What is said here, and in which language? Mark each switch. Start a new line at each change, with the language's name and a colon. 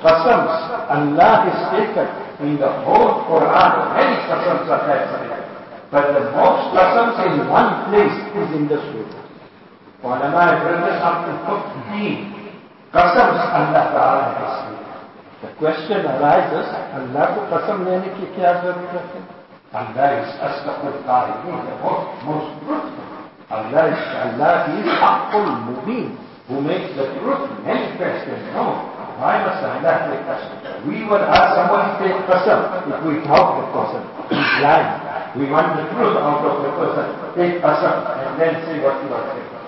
English: قسمس اللہ has taken in the whole Quran, many قسمس are there. But the most قسمس in one place is in the surah. One of my brothers up to 15 قسمس اللہ تعالیٰ has taken.
Urdu: The question arises, اللہ کو قسم لینے کی کیا ضرورت ہے؟
English: اللہ is اصدق القائلین, the most truthful. Allah is Allah, he is Haqqul Mubin, who makes the truth manifest and known. Why must Allah take qasam? We would ask someone to take qasam if we doubt the person. He's lying. We want the truth out of the person. Take qasam and then say what you are saying.